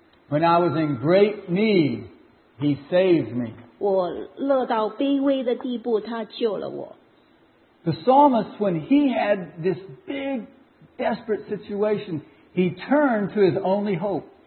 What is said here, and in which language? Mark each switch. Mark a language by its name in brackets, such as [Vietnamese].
[English] When I was in great need, He saved me. [Chinese] 我乐到卑微的地步，他救了我。 [English] The psalmist, when he had this big, desperate situation, he turned to his only hope.